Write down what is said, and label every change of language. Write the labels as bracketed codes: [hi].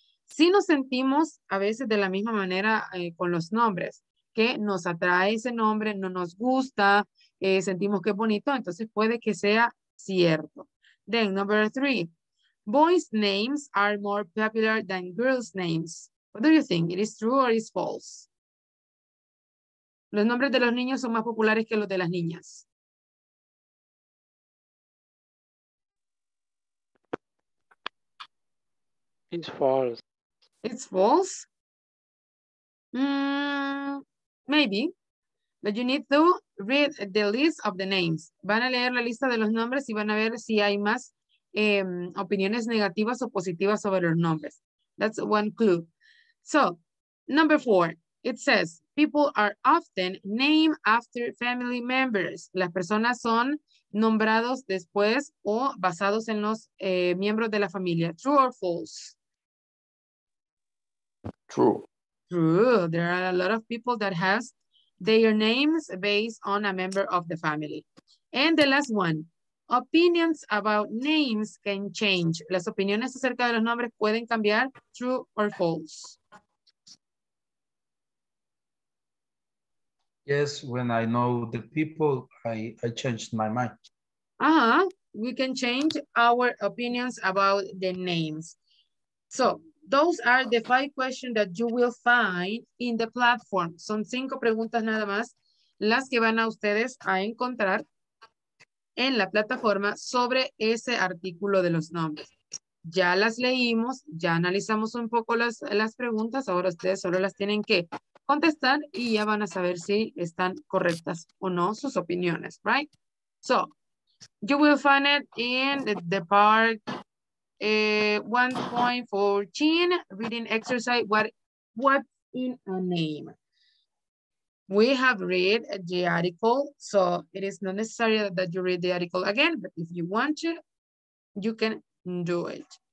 [es] Sí nos sentimos a veces de la misma manera con los nombres, que nos atrae ese nombre, no nos gusta, sentimos que es bonito, entonces puede que sea cierto. [en] Then, number three, boys' names are more popular than girls' names. What do you think? It is true or is false? [es] Los nombres de los niños son más populares que los de las niñas. [en] It's false. It's false? Maybe. But you need to read the list of the names. [es] Van a leer la lista de los nombres y van a ver si hay más opiniones negativas o positivas sobre los nombres. [en] That's one clue. So, number four. It says, people are often named after family members. [es] Las personas son nombrados después o basados en los miembros de la familia. [en] True or false? True. True. There are a lot of people that has their names based on a member of the family. And the last one. Opinions about names can change. [es] Las opiniones acerca de los nombres pueden cambiar. [en] True or false? Yes, when I know the people, I changed my mind. Uh-huh. We can change our opinions about the names. So, those are the five questions that you will find in the platform. [es] Son cinco preguntas nada más las que van a ustedes a encontrar en la plataforma sobre ese artículo de los nombres. Ya las leímos, ya analizamos un poco las preguntas, ahora ustedes solo las tienen que contestar y ya van a saber si están correctas o no sus opiniones, [en] right? So, you will find it in the part 1.14, reading exercise, what's in a name? We have read the article, so it is not necessary that you read the article again, but if you want to, you can do it.